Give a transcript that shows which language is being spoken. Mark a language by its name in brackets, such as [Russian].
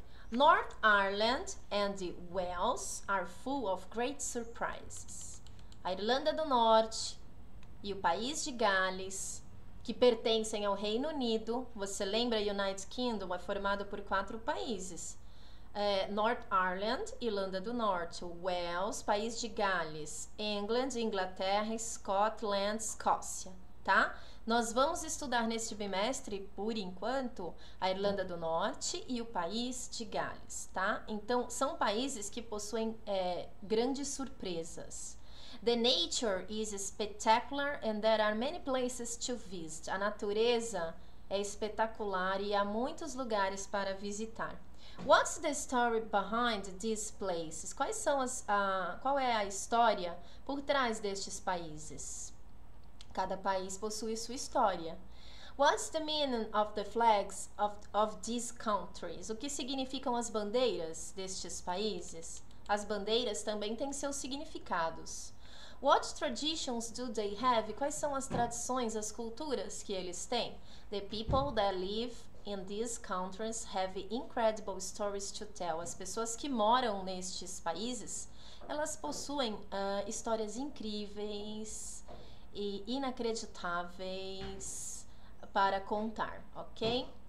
[English] North Ireland and Wales are full of great surprises. [Portuguese] A Irlanda do Norte e o País de Gales, que pertencem ao Reino Unido, você lembra? United Kingdom é formado por quatro países: North Ireland, Irlanda do Norte, Wales, País de Gales, England, Inglaterra, Scotland, Escócia. Tá? Nós vamos estudar neste bimestre, por enquanto, a Irlanda do Norte e o País de Gales, tá? Então, são países que possuem grandes surpresas. [English] The nature is spectacular and there are many places to visit. [Portuguese] A natureza é espetacular e há muitos lugares para visitar. [English] What's the story behind these places? [Portuguese] Qual é a história por trás destes países? Cada país possui sua história. [English] What's the meaning of the flags of these countries? [Portuguese] O que significam as bandeiras destes países? As bandeiras também têm seus significados. [English] What traditions do they have? [Portuguese] Quais são as tradições, as culturas que eles têm? [English] The people that live in these countries have incredible stories to tell. [Portuguese] As pessoas que moram nestes países, elas possuem histórias incríveis e inacreditáveis para contar, ok?